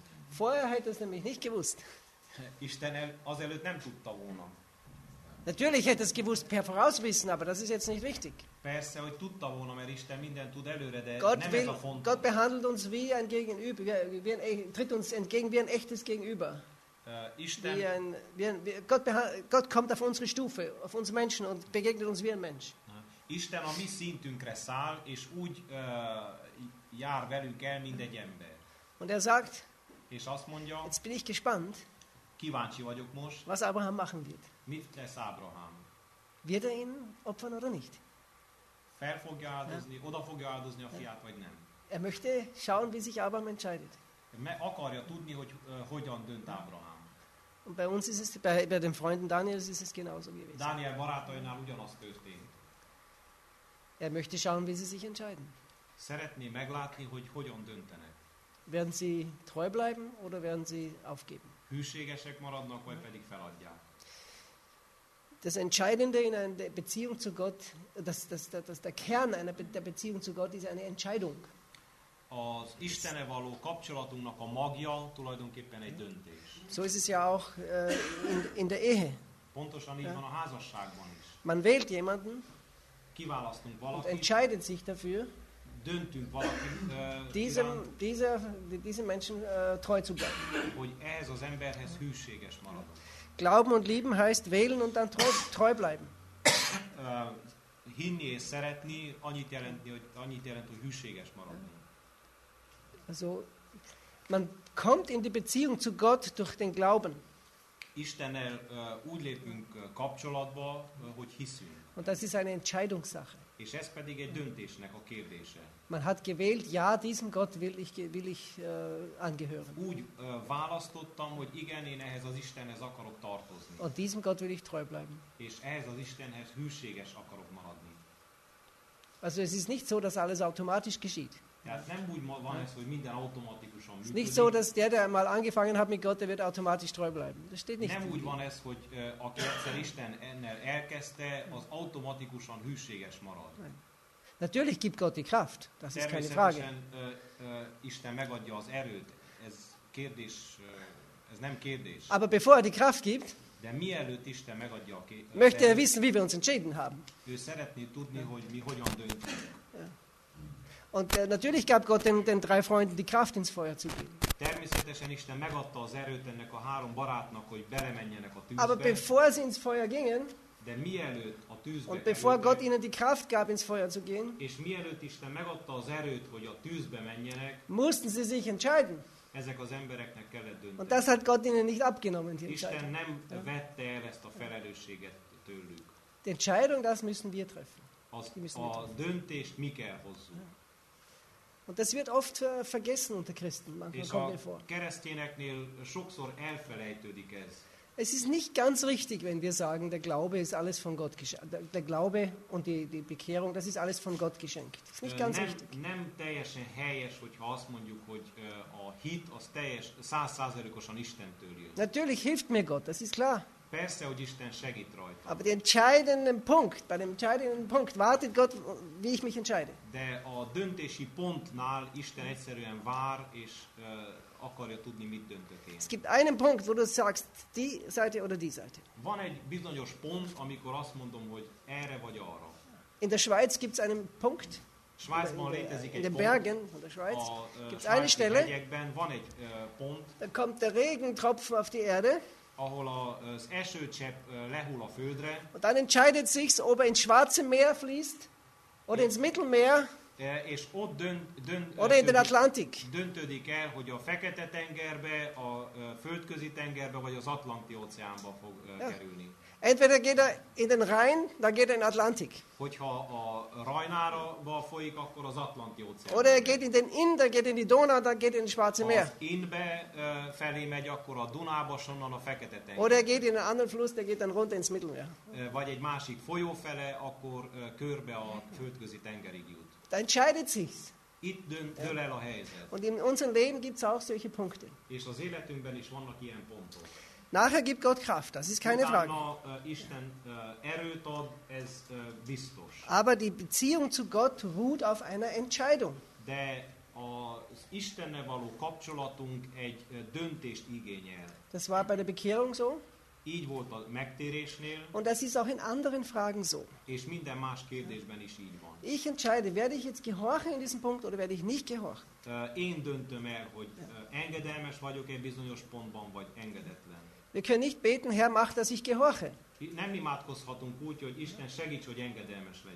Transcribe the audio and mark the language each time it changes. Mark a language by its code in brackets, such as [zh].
[de] Vorher hätte es nämlich nicht gewusst. [hu] Isten azelőtt nem tudta volna. [de] Natürlich hätte es gewusst per Vorauswissen, aber das ist jetzt nicht wichtig. [hu] Persze, hogy tudta volna, mert Isten mindent tud előre, de [de] Gott [hu] nem [de] will, [hu] ez a fontos. [de] Gott behandelt uns wie ein Gegenüber, tritt uns entgegen wie ein echtes Gegenüber. [hu] Isten, [de] Gott kommt auf unsere Stufe, auf uns Menschen und begegnet uns wie ein Mensch. [hu] Isten a mi szintünkre száll, és úgy jár velünk el, mint egy ember. [de] Und er sagt, [hu] és azt mondja, [de] jetzt bin ich gespannt, [hu] kíváncsi vagyok most, [de] was Abraham machen wird. [hu] Mit lesz Abraham? [de] Wird er ihn opfern oder nicht? [hu] Fel fogja áldozni, oda fogja áldozni a fiát, vagy nem? [de] Er möchte schauen, wie sich Abraham entscheidet. [hu] Akarja tudni, hogy hogyan dönt Abraham. [de] Und bei uns ist es, bei den Freunden Daniels ist es genauso gewesen. [hu] Daniel barátainál ugyanaz történt. [de] Er möchte schauen, wie sie sich entscheiden. [hu] Szeretné meglátni, hogy hogyan döntenek. [de] Werden sie treu bleiben, oder werden sie aufgeben? [hu] Hűségesek maradnak, vagy pedig feladják. [de] Das Entscheidende in einer Beziehung zu Gott, das der Kern einer der Beziehung zu Gott ist eine Entscheidung. [hu] Az Istene való kapcsolatunknak a magja tulajdonképpen egy döntés. [de] So ist es ja auch in der Ehe. [hu] Pontosan így van a házasságban is. [de] Man wählt jemanden. [hu] Kiválasztunk valakit. [de] Und entscheidet sich dafür. [hu] Döntünk valakit. [de] Diesem Menschen treu zu bleiben. [hu] Hogy ehhez az emberhez hűséges maradunk. [de] Glauben und lieben heißt wählen und dann treu bleiben. [hu] Hinni és szeretni annyit jelent, hogy hűséges maradunk. [de] Also, man kommt in die Beziehung zu Gott durch den Glauben. [hu] Istennel úgy lépünk kapcsolatba, hogy hiszünk. [de] Und das ist eine Entscheidungssache. [hu] És ez pedig egy döntésnek a kérdése. [de] Man hat gewählt, ja, diesem Gott will ich angehören. [hu] Úgy választottam, hogy igen, én ehhez az Istenhez akarok tartozni. [de] Und diesem Gott will ich treu bleiben. [hu] És ehhez az Istenhez hűséges akarok maradni. [de] Also es ist nicht so, dass alles automatisch geschieht. [hu] Tehát nem úgy van ez, hogy minden automatikusan működik. [de] Es ist nicht so, dass der mal angefangen hat mit Gott, der wird automatisch treu bleiben. Das steht nicht. [hu] Nem úgy van ez, hogy aki egyszer Isten ennel elkezdte, az automatikusan hűséges marad. [de] Nein. Natürlich gibt Gott die Kraft, das ist keine Frage. [hu] Isten megadja az erőt, ez kérdés, ez nem kérdés. [de] Aber bevor er die Kraft gibt, [hu] de mielőtt Isten megadja a kérdést, [de] möchte er wissen, wie wir uns entschieden haben. [hu] Ő szeretné tudni, hogy mi hogyan döntünk. [de] Und natürlich gab Gott den drei Freunden die Kraft ins Feuer zu gehen. [hu] Természetesen Isten megadta az erőt ennek a három barátnak, hogy belemenjenek a tűzbe. [de] Aber bevor sie ins Feuer gingen, [hu] de mielőtt a tűzbe [de] und bevor Gott ihnen die Kraft gab ins Feuer zu gehen, [hu] és mielőtt Isten megadta az erőt, hogy a tűzbe menjenek, [de] mussten sie sich entscheiden. [hu] Ezek az embereknek kellett dönteni. [de] Und das hat Gott ihnen nicht abgenommen. [hu] Die Isten nem vette el ezt a felelősséget tőlük. [de] Die Entscheidung, das müssen wir treffen. [hu] A döntést mi kell hozzunk. [de] Und das wird oft vergessen unter Christen, manchmal [hu] és [de] kommt mir vor. [hu] Keresztényeknél sokszor elfelejtődik ez. [de] Es ist nicht ganz richtig, wenn wir sagen, der Glaube ist alles von Gott geschenkt. Der Glaube und die Bekehrung, das ist alles von Gott geschenkt. Das ist nicht ganz richtig. [hu] Nem teljesen helyes, hogyha azt mondjuk, hogy a hit az teljes 100%-osan Istentől jön. [de] Natürlich hilft mir Gott, das ist klar. [hu] Persze, hogy Isten segít rajta. [de] Aber den entscheidenden Punkt, bei dem entscheidenden Punkt wartet Gott, wie ich mich entscheide. [hu] De a döntési pontnál Isten egyszerűen vár, és akarja tudni, mit döntök én. [de] Es gibt einen Punkt, wo du sagst, die Seite oder die Seite. [hu] Van egy bizonyos pont, amikor azt mondom, hogy erre vagy arra. [de] In der Schweiz gibt es einen Punkt. [hu] Schweizban létezik egy pont. [de] In den Bergen von der Schweiz gibt es eine Stelle. [hu] Hegyekben van egy pont. [de] Da kommt der Regentropfen auf die Erde. [hu] Ahol az esőcsepp lehull a földre. [de] Und dann entscheidet sich, ob er ins Schwarze Meer fließt oder ins Mittelmeer. [hu] És ott [de] oder in den Atlantik. [hu] Döntődik el, hogy a Fekete-tengerbe, a Földközi-tengerbe vagy az Atlanti-óceánba fog kerülni. [de] Entweder geht er in den Rhein, dann geht er in den Atlantik. [hu] Hogyha a Rajnára folyik, akkor az Atlanti-óceán. [de] Oder er geht in den Inn, dann geht er in die Donau, dann geht er in das Schwarze Meer. [hu] Az Innbe felé megy, akkor a Dunába, sonnan a Fekete-tenger. [de] Oder er geht in einen anderen Fluss, dann geht er runter ins Mittelmeer. [hu] Vagy egy másik folyó fele, akkor körbe a Földközi-tengerig jut. [de] Da entscheidet sich's. [hu] Itt dől el a helyzet. [de] Und in unserem Leben gibt's auch solche Punkte. [hu] És az életünkben is vannak ilyen pontok. [de] Nachher gibt Gott Kraft, das ist keine Frage. [hu] Isten erőt ad, ez biztos. [de] Aber die Beziehung zu Gott ruht auf einer Entscheidung. [hu] De az Istennel való kapcsolatunk egy döntést igényel. [de] Das war bei der Bekehrung so. [hu] Így volt a megtérésnél. [de] Und das ist auch in anderen Fragen so. [hu] És minden más kérdésben is így van. [de] Ich entscheide, werde ich jetzt gehorchen in diesem Punkt, oder werde ich nicht gehorchen? [hu] Én döntöm el, hogy engedelmes vagyok egy bizonyos pontban, vagy engedetlen. [de] Wir können nicht beten, Herr, mach, dass ich gehorche. [hu] Nem imádkozhatunk úgy, hogy Isten segíts, hogy engedelmes legyen.